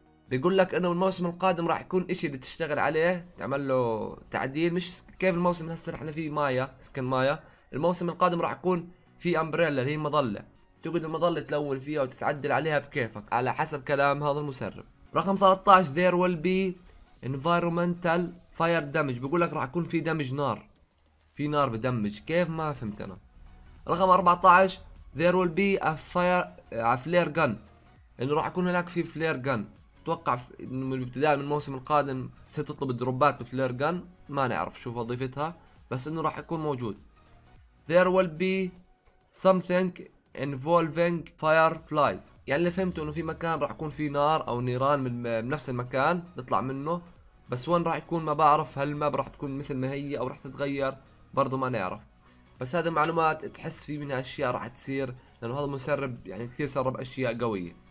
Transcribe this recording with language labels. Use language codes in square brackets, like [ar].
[ar] بيقول لك انه الموسم القادم راح يكون اشي اللي تشتغل عليه تعمل له تعديل، مش كيف الموسم هسه احنا فيه مايا سكن مايا، الموسم القادم راح يكون في امبريلا اللي هي مظله، تقعد المظلة تلون فيها وتتعدل عليها بكيفك على حسب كلام هذا المسرب. رقم 13 [en] There will be environmental fire damage. [ar] بقول لك راح يكون في دمج نار، في نار بدمج، كيف ما فهمت انا. رقم 14 [en] There will be a flare gun. [ar] انه راح يكون هناك في flare gun. اتوقع انه من الابتداء من الموسم القادم ستطلب الدروبات بفلير gun، ما نعرف شو وظيفتها بس انه راح يكون موجود. [en] There will be something involving fireflies. [ar] يعني اللي فهمته انه في مكان راح يكون فيه نار او نيران من نفس المكان نطلع منه، بس وين راح يكون ما بعرف، هل الماب راح تكون مثل ما هي او راح تتغير برضه ما نعرف، بس هذه معلومات تحس في منها اشياء راح تصير لانه هذا المسرب يعني كثير سرب اشياء قويه.